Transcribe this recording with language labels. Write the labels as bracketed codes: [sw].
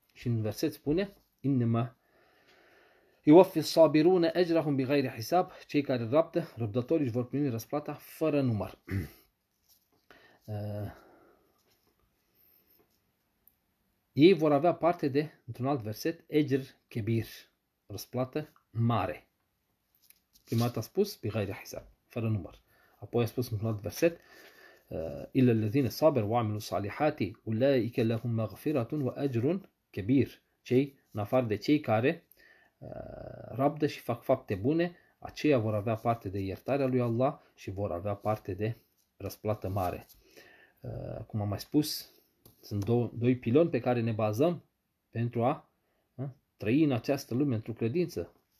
[ro] Și în verset spune, [ar] innama يوفي الصابرون اجرهم بغير حساب, [ro] cei care rabdă, răbdătorii își vor primi răsplata fără număr. Ei vor avea parte de, într-un alt verset, [ar] ejr kebir, [ro] răsplată mare. Prima dată a spus, [ar] bighayri hisab, [ro] fără număr. [ar] Apoi a spus într-un alt verset, إِلَّا الَّذِينَ صَابَرُوا وَعَمِلُوا الصَّالِحَاتِ أُولَٰئِكَ لَهُمْ مَغْفِرَةٌ وَأَجْرٌ كَبِيرٌ. [ro] Cei, în afară de cei care rabdă și fac fapte bune, aceia vor avea parte de iertarea lui Allah și vor avea parte de răsplată mare. Cum am mai spus, sunt doi piloni pe care ne bazăm pentru a trăi în această lume, într-o credință.